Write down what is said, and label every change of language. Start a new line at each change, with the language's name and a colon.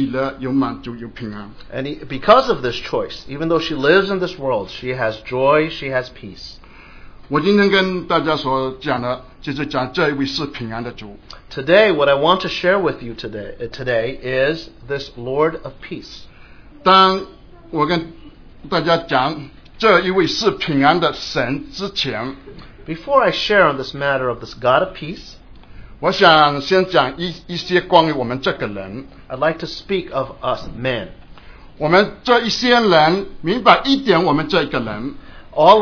Chinese: 他因为拣选了这里面，我们看见他活在世界里面，他有喜乐，有满足，有平安。
English: And because of this choice, even though she lives in this world, she has joy, she has peace.
Chinese: 我今天跟大家所讲的，就是讲这一位是平安的主。
English: Today, what I want to share with you today is this Lord of Peace.
Chinese: 当我跟大家讲这一位是平安的神之前，
English: Before I share on this matter of this God of Peace.
Chinese: 我想先讲一些关于我们这个人。
English: I'd like to speak of us men.
Chinese: 我们这一些人明白一点我们这个人。
English: All